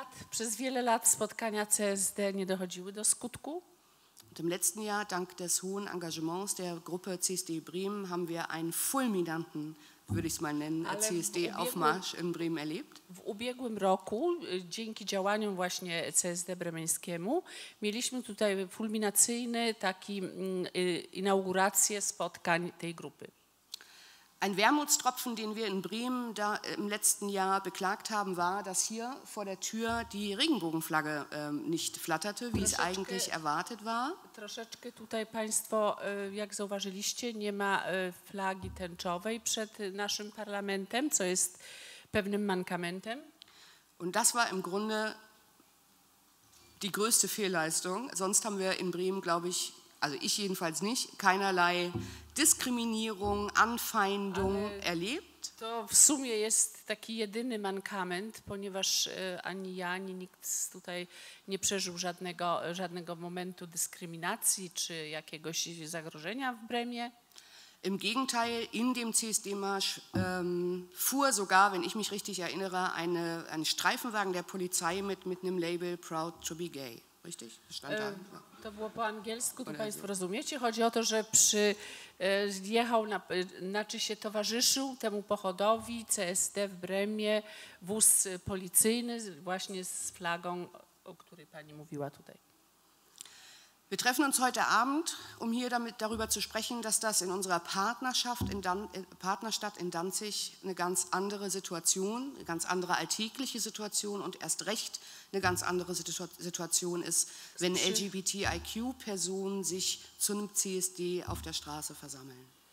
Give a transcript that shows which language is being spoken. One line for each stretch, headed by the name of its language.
Polish: Przez wiele lat spotkania CSD nie dochodziły do skutku.
German: Und im letzten Jahr, dank des hohen Engagements der Gruppe CSD Bremen, haben wir einen fulminanten, würde ich es mal nennen, CSD-Aufmarsch in Bremen erlebt.
Polish: W ubiegłym roku, dzięki działaniom właśnie CSD bremeńskiemu, mieliśmy tutaj fulminacyjne taki inaugurację spotkań tej grupy.
German: Ein Wermutstropfen, den wir in Bremen da im letzten Jahr beklagt haben, war, dass hier vor der Tür die Regenbogenflagge nicht flatterte, wie es eigentlich erwartet war.
Polish: Troszeczkę tutaj Państwo, jak zauważyliście, nie ma flagi tęczowej przed naszym parlamentem, co jest pewnym mankamentem.
German: Und das war im Grunde die größte Fehlleistung. Sonst haben wir in Bremen, glaube ich, also ich jedenfalls nicht, keinerlei Diskriminierung, Anfeindung erlebt.
Polish: To w sumie jest taki jedyny mankament, ponieważ ani ja, ani nikt tutaj nie przeżył żadnego momentu dyskryminacji czy jakiegoś zagrożenia w Bremie.
German: Im Gegenteil, in dem CSD-Marsch fuhr sogar, wenn ich mich richtig erinnere, ein Streifenwagen der Polizei mit einem Label
English: Proud to be gay.
German: Richtig? Stand da.
Polish: To było po angielsku, to Państwo rozumiecie. Chodzi o to, że zjechał, znaczy się towarzyszył temu pochodowi CSD w Bremie, wóz policyjny właśnie z flagą, o której Pani mówiła tutaj.
German: Wir treffen uns heute Abend, um hier darüber zu sprechen, dass das in unserer Partnerschaft, Partnerstadt in Danzig eine ganz andere Situation, eine ganz andere alltägliche Situation und erst recht eine ganz andere Situation ist, wenn LGBTIQ-Personen sich zu einem CSD auf der Straße versammeln.